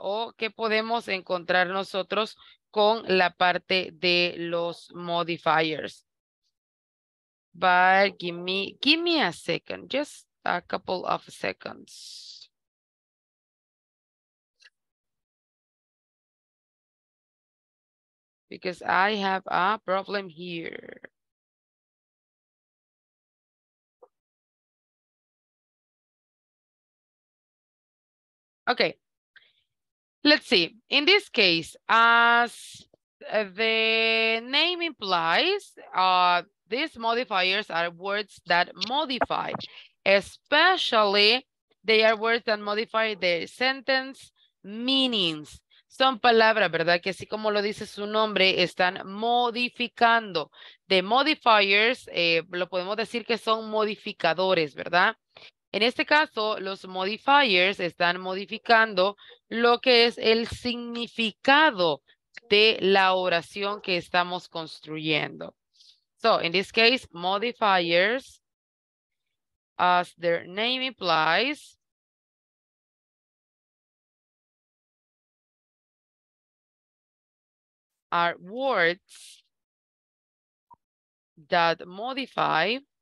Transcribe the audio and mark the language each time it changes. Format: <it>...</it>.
<es>O qué podemos encontrar nosotros con la parte de los modifiers.</es> <en>But give me a second, just a couple of seconds. Because I have a problem here. Okay, let's see. In this case, as the name implies, these modifiers are words that modify. Especially, they are words that modify the sentence meanings.</en> <es>Son palabras, ¿verdad? Que así como lo dice su nombre, están modificando. The modifiers, lo podemos decir que son modificadores, ¿verdad? En este caso, los modifiers están modificando lo que es el significado de la oración que estamos construyendo.</es> <en>So, in this case, modifiers, as their name implies, are words that modify,</en>